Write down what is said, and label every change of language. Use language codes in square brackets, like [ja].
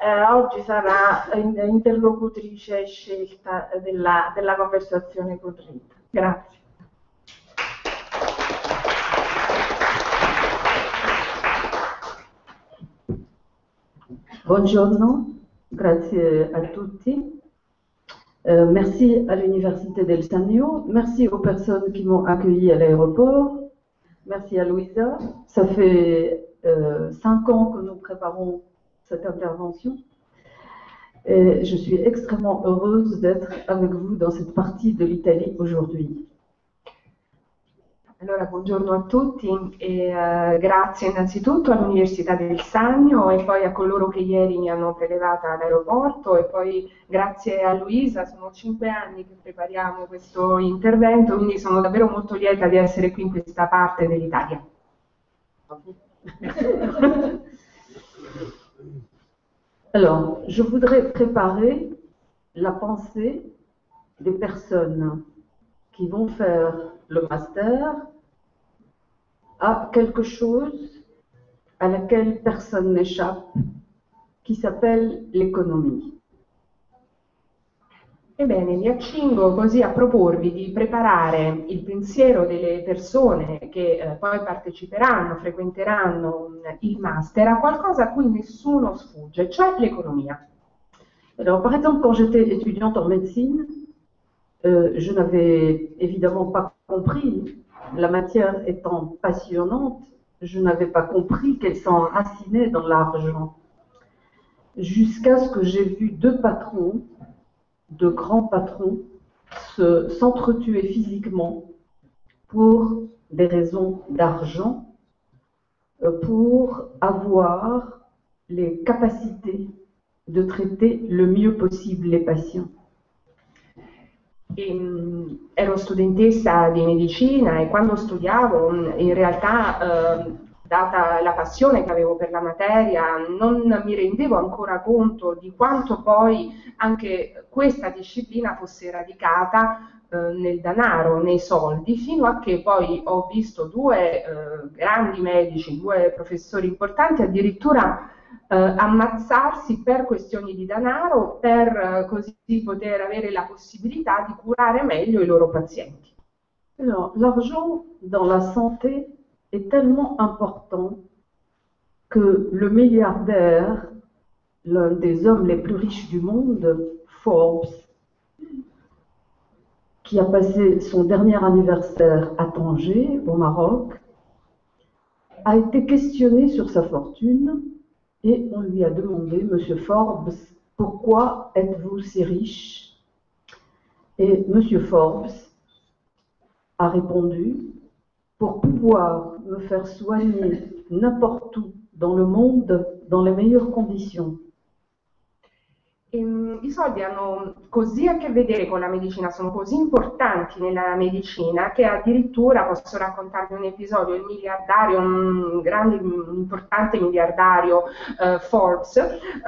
[it] oggi sarà interlocutrice scelta della conversazione con Rita. Grazie. Buongiorno, grazie a tutti. [fr] Merci à l'Université del Sannio, merci aux personnes qui m'ont accueilli à l'aéroport, merci à Louisa. Ça fait 5 ans que nous préparons cette intervention et je suis extrêmement heureuse d'être avec vous dans cette partie de l'Italie aujourd'hui. [it] Allora, buongiorno a tutti e grazie innanzitutto all'Università del Sannio e poi a coloro che ieri mi hanno prelevata all'aeroporto e poi grazie a Luisa, sono 5 anni che prepariamo questo intervento, quindi sono davvero molto lieta di essere qui in questa parte dell'Italia. [fr] Alors, je voudrais préparer la pensée des personnes qui vont faire le master à quelque chose à laquelle personne n'échappe, qui s'appelle l'économie. [it] Ebbene, mi accingo così a proporvi di preparare il pensiero delle persone che poi parteciperanno, frequenteranno il master, a qualcosa a cui nessuno sfugge, cioè l'economia. [fr] Alors, par exemple, quand j'étais étudiante en médecine, je n'avais évidemment pas compris, la matière étant passionnante, je n'avais pas compris qu'elle s'enracinait dans l'argent. Jusqu'à ce que j'aie vu deux patrons, de grands patrons, s'entretuer physiquement pour des raisons d'argent, pour avoir les capacités de traiter le mieux possible les patients. [it] Ero studentessa di medicina e quando studiavo, in realtà, data la passione che avevo per la materia, non mi rendevo ancora conto di quanto poi anche questa disciplina fosse radicata, nel denaro, nei soldi, fino a che poi ho visto due, grandi medici, due professori importanti, addirittura ammazzarsi per questioni di denaro, per così poter avere la possibilità di curare meglio i loro pazienti. [fr] Alors, l'argent dans la santé est tellement important que le milliardaire, l'un des hommes les plus riches du monde, Forbes, qui a passé son dernier anniversaire à Tanger, au Maroc, a été questionné sur sa fortune et on lui a demandé, Monsieur Forbes, pourquoi êtes-vous si riche? Et Monsieur Forbes a répondu, pour pouvoir me faire soigner n'importe où dans le monde dans les meilleures conditions. [it] I soldi hanno così a che vedere con la medicina, sono così importanti nella medicina che addirittura posso raccontarvi un episodio: il miliardario, un grande, importante miliardario Forbes,